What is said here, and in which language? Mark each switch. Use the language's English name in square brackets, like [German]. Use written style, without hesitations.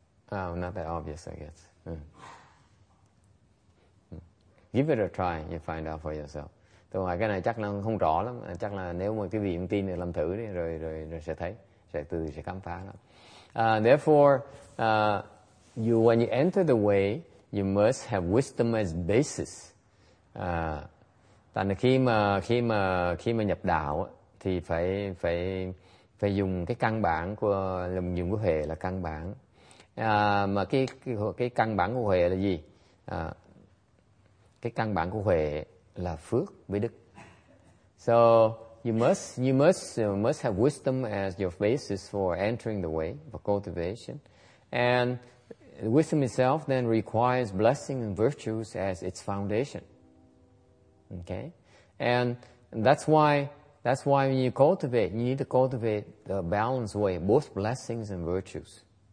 [English] Oh, not that obvious, I guess. Give it a try, you find out for yourself. [Vietnamese] Tôi hỏi cái này chắc là không rõ lắm, chắc là nếu mà quý vị không tin thì làm thử đi, rồi sẽ thấy, sẽ khám phá lắm. [English] Therefore, when you enter the way, you must have wisdom as basis. [Vietnamese] Tại là khi mà nhập đạo thì phải dùng cái căn bản của dùng của Huệ là căn bản. Mà cái căn bản của Huệ là gì? Cái căn bản của Huệ là phước với đức. [English] So you must have wisdom as your basis for entering the way for cultivation, and wisdom itself then requires blessing and virtues as its foundation. Okay, and that's why when you cultivate, you need to cultivate the balanced way, both blessings and virtues.